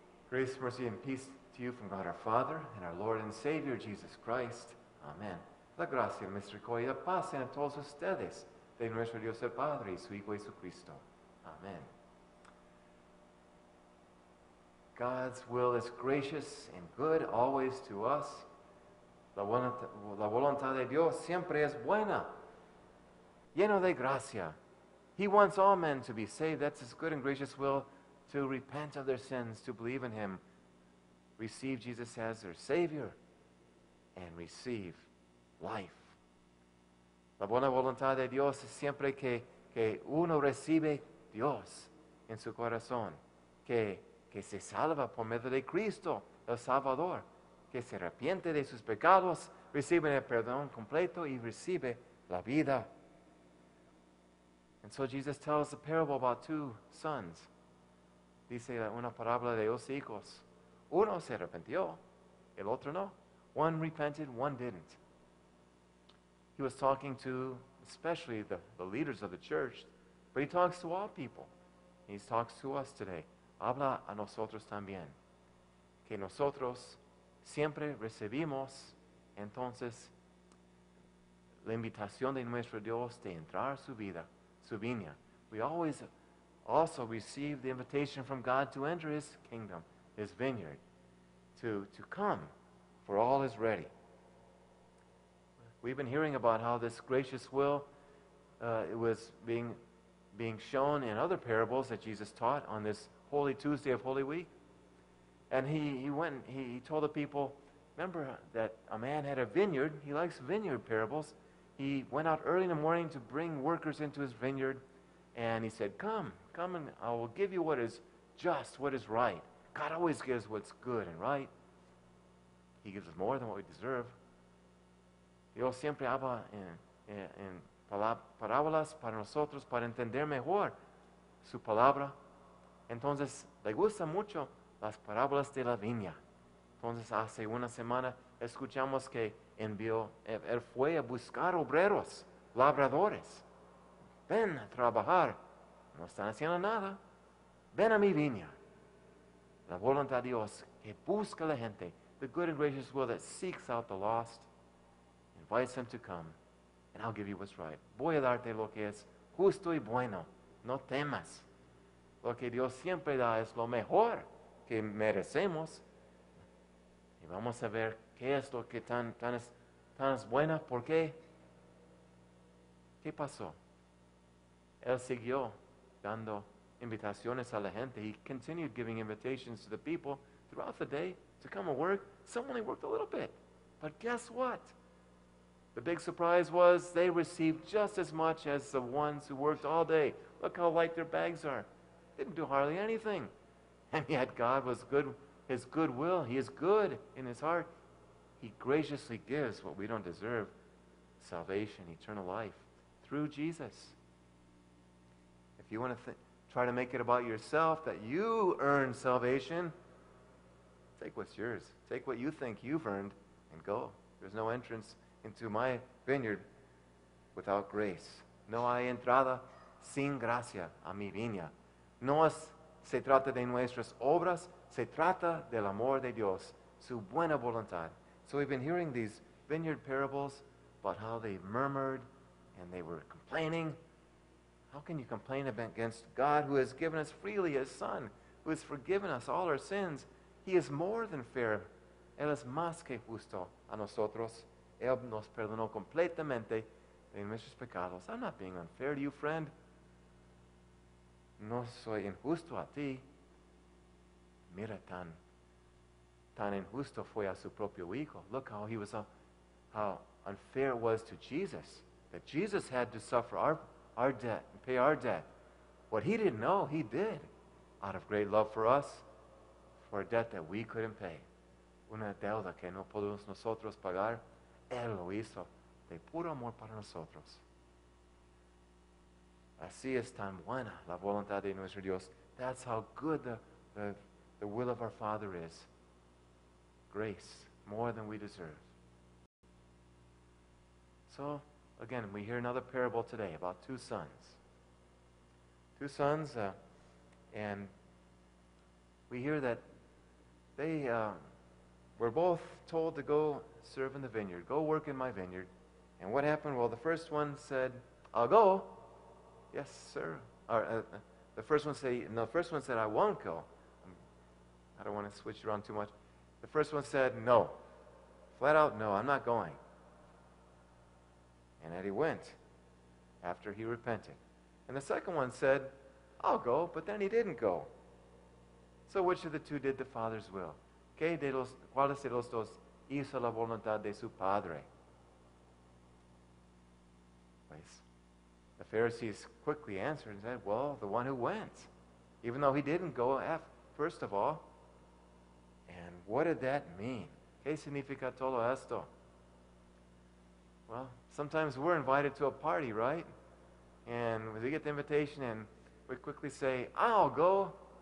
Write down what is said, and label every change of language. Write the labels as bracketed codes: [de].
[en] Grace, mercy, and peace to you from God our Father and our Lord and Savior, Jesus Christ. Amen. [es] La gracia, misericordia, paz sean todos ustedes de nuestro Dios el Padre y su Hijo Jesucristo. Amen. [en] God's will is gracious and good always to us. [es] La voluntad de Dios siempre es buena, lleno de gracia. [en] He wants all men to be saved. That's his good and gracious will. To repent of their sins, to believe in him, receive Jesus as their Savior, and receive life. [es] La buena voluntad de Dios es siempre que uno recibe Dios en su corazón, que se salva por medio de Cristo, el Salvador, que se arrepiente de sus pecados, recibe el perdón completo y recibe la vida. [en] And so Jesus tells a parable about two sons. [es] Dice una parábola de dos hijos. Uno se arrepintió, el otro no. [en] One repented, one didn't. He was talking to especially the leaders of the church, but he talks to all people. He talks to us today. [es] Habla a nosotros también. Que nosotros siempre recibimos, entonces, la invitación de nuestro Dios de entrar su vida, su viña. [en] We always also receive the invitation from God to enter his kingdom, his vineyard, to come, for all is ready. We've been hearing about how this gracious will was being shown in other parables that Jesus taught on this Holy Tuesday of Holy Week. And he told the people, remember that a man had a vineyard. He likes vineyard parables. He went out early in the morning to bring workers into his vineyard, and he said, Come and I will give you what is just, what is right. God always gives what's good and right. He gives us more than what we deserve. [es] Dios siempre habla en parábolas para nosotros para entender mejor su palabra. Entonces, le gustan mucho las parábolas de la viña. Entonces, hace una semana escuchamos que envió, él fue a buscar obreros, labradores. Ven a trabajar. No están haciendo nada. Ven a mi viña. La voluntad de Dios que busca a la gente. [en] The good and gracious will that seeks out the lost. Invites them to come. And I'll give you what's right. [es] Voy a darte lo que es justo y bueno. No temas. Lo que Dios siempre da es lo mejor que merecemos. Y vamos a ver qué es lo que tan es buena. ¿Por qué? ¿Qué pasó? Él siguió dando invitaciones a la gente. [en] He continued giving invitations to the people throughout the day to come and work. Some only worked a little bit. But guess what? The big surprise was they received just as much as the ones who worked all day. Look how light their bags are. Didn't do hardly anything. And yet God was good, his goodwill. He is good in his heart. He graciously gives what we don't deserve, salvation, eternal life, through Jesus. If you want to try to make it about yourself, that you earned salvation, take what's yours. Take what you think you've earned and go. There's no entrance into my vineyard without grace. [es] No hay entrada sin gracia a mi viña. No es, se trata de nuestras obras, se trata del amor de Dios, su buena voluntad. [en] So we've been hearing these vineyard parables about how they murmured and they were complaining. How can you complain against God who has given us freely his Son, who has forgiven us all our sins? He is more than fair. [es] Él es más que justo a nosotros. Él nos perdonó completamente de nuestros pecados. [en] I'm not being unfair to you, friend. [es] No soy injusto a ti. Mira tan injusto fue a su propio hijo. [en] Look how he was, how unfair it was to Jesus, that Jesus had to suffer our debt and pay our debt. What he didn't know, he did, out of great love for us, for a debt that we couldn't pay. [es] Una deuda que no podemos nosotros pagar, él lo hizo de puro amor para nosotros. Así es tan buena la voluntad de nuestro Dios. [en] That's how good the will of our Father is. Grace, more than we deserve. So, again, we hear another parable today about two sons. Two sons, and we hear that they were both told to go serve in the vineyard. Go work in my vineyard. And what happened? Well, the first one said, I'll go. Yes, sir. The first one said, I won't go. I don't want to switch around too much. The first one said, no. Flat out, no, I'm not going. And then he went after he repented. And the second one said, I'll go, but then he didn't go. So which of the two did the Father's will? [es] ¿Cuáles de los dos hizo la voluntad de su Padre? [en] The Pharisees quickly answered and said, well, the one who went, even though he didn't go, first of all. And what did that mean? [es] ¿Qué significa todo esto? [en] Well, sometimes we're invited to a party, right? And we get the invitation and we quickly say, I'll go.